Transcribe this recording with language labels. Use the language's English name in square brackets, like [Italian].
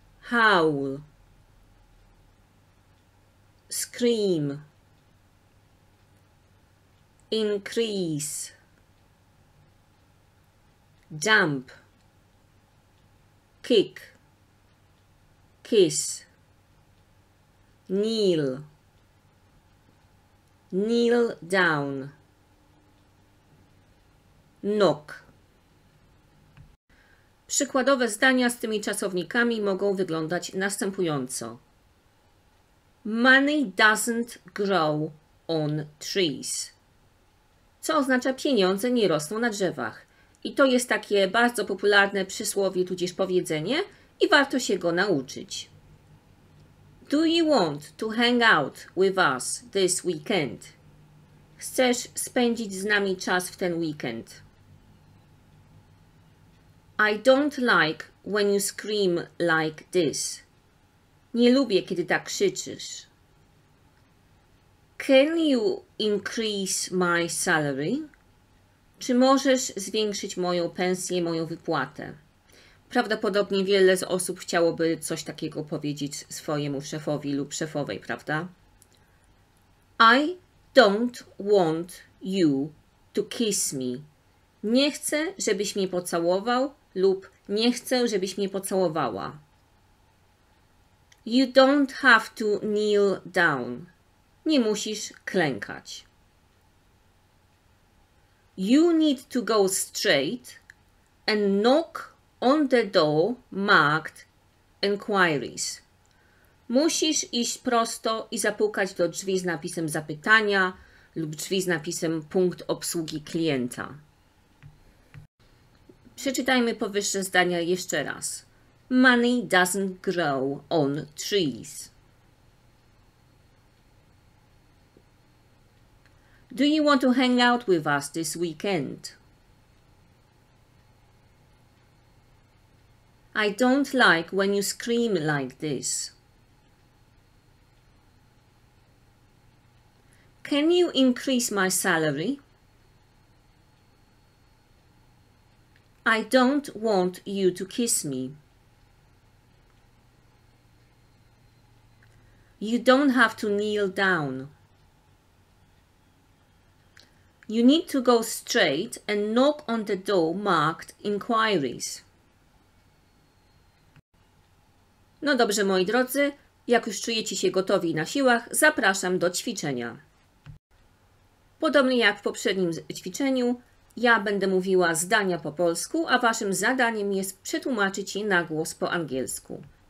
[English] Howl, scream, increase, jump, kick, kiss, kneel, kneel down, knock. [Polish] Przykładowe zdania z tymi czasownikami mogą wyglądać następująco. [English] Money doesn't grow on trees. [Polish] Co oznacza pieniądze nie rosną na drzewach. I to jest takie bardzo popularne przysłowie tudzież powiedzenie i warto się go nauczyć. [English] Do you want to hang out with us this weekend? [Polish] Chcesz spędzić z nami czas w ten weekend? [English] I don't like when you scream like this. [Polish] Nie lubię, kiedy tak krzyczysz. [English] Can you increase my salary? [Polish] Czy możesz zwiększyć moją pensję, moją wypłatę? Prawdopodobnie wiele z osób chciałoby coś takiego powiedzieć swojemu szefowi lub szefowej, prawda? [English] I don't want you to kiss me. [Polish] Nie chcę, żebyś mnie pocałował. Lub nie chcę, żebyś mnie pocałowała. [English] You don't have to kneel down. [Polish] Nie musisz klękać. [English] You need to go straight and knock on the door marked inquiries. [Polish] Musisz iść prosto i zapukać do drzwi z napisem zapytania lub drzwi z napisem punkt obsługi klienta. Przeczytajmy powyższe zdania jeszcze raz. [English] Money doesn't grow on trees. Do you want to hang out with us this weekend? I don't like when you scream like this. Can you increase my salary? I don't want you to kiss me. You don't have to kneel down. You need to go straight and knock on the door marked inquiries. [Polish] No dobrze, moi drodzy, jak już czujecie się gotowi na siłach, zapraszam do ćwiczenia. Podobnie jak w poprzednim ćwiczeniu, ja będę mówiła zdania po polsku, a waszym zadaniem jest przetłumaczyć je na głos po angielsku.